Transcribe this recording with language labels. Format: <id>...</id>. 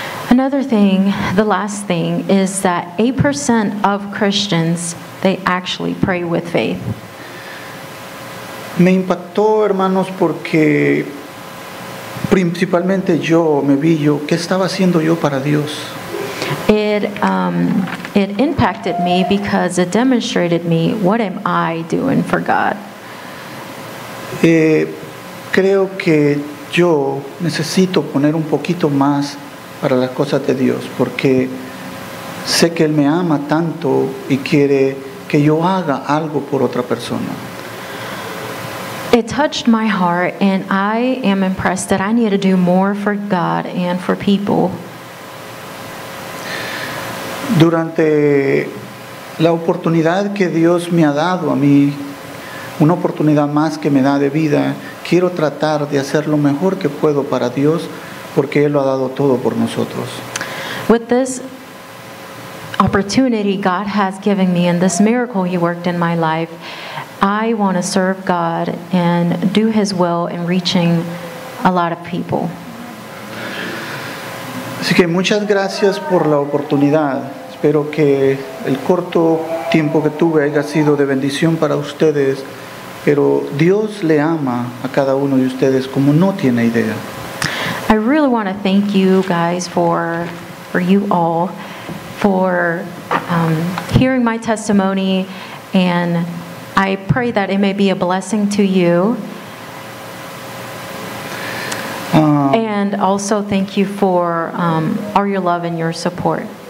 <en>Another thing, the last thing, is that 8% of Christians, they actually pray with faith.</en> <es>Me impactó, hermanos, porque principalmente yo, ¿qué estaba haciendo yo para Dios?</es> <en>It impacted me because it demonstrated me, what am I doing for God?</en> <es>Creo que yo necesito poner un poquito más para las cosas de Dios, porque sé que Él me ama tanto y quiere que yo haga algo por otra persona.</es> <en>It touched my heart, and I am impressed that I need to do more for God and for people.</en> <es>Durante la oportunidad que Dios me ha dado a mí, una oportunidad más que me da de vida, quiero tratar de hacer lo mejor que puedo para Dios, porque Él lo ha dado todo por nosotros.</es> <en>With this opportunity God has given me and this miracle He worked in my life, I want to serve God and do His will in reaching a lot of people.</en> <es>Así que muchas gracias por la oportunidad. Espero que el corto tiempo que tuve haya sido de bendición para ustedes, pero Dios le ama a cada uno de ustedes como no tiene idea.</es> <en>I really want to thank you guys for you all for hearing my testimony, and I pray that it may be a blessing to you. And also thank you for all your love and your support.</en>